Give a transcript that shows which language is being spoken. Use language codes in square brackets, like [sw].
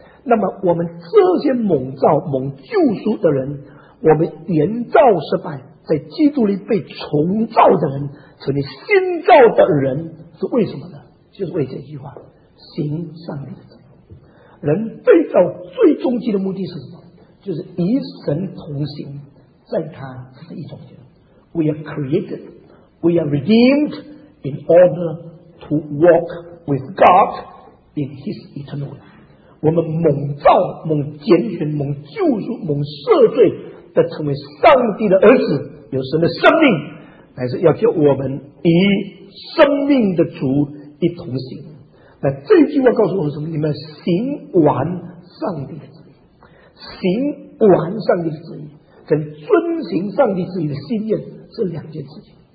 [zh] 那么我们这些蒙召蒙救赎的人，我们原造失败在基督里被重造的人，成为新造的人，是为什么呢？就是为这句话，行上帝的旨意。人被造最终极的目的是什么？就是与神同行，在他旨意中间。 [en] We are created, we are redeemed in order to walk with God in his eternal life。 [zh] 我们蒙造蒙拣选蒙救赎蒙赦罪的成为上帝的儿子，有神的生命，乃是要叫我们与生命的主一同行。那这句话告诉我们什么？你们行完上帝的旨意，行完上帝的旨意跟遵行上帝旨意的心愿是两件事情。